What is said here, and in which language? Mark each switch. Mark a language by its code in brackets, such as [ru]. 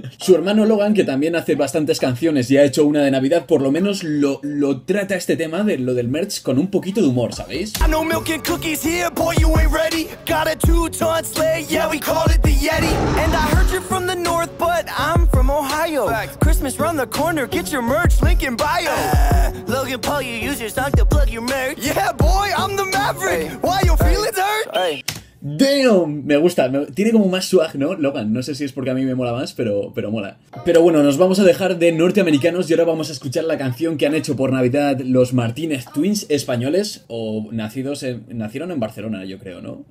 [es] Su hermano Logan, que también hace bastantes canciones y ha hecho una de Navidad, por lo menos lo trata este tema de lo del merch con un poquito de humor, ¿sabéis? [en] I know milk and cookies here, boy, you ain't ready. Got a two-ton sleigh, yeah, we call it the Yeti. And I heard you're from the north, but I'm from Ohio. Christmas round the corner, get your merch, link in bio. Logan Paul, you use your stock to plug your merch. Yeah, boy, I'm the Maverick. Why you feeling hurt? [es] Damn, me gusta, tiene como más swag, ¿no, Logan? No sé si es porque a mí me mola más, pero mola. Pero bueno, nos vamos a dejar de norteamericanos y ahora vamos a escuchar la canción que han hecho por Navidad los Martínez Twins españoles, o nacieron en Barcelona, yo creo, ¿no?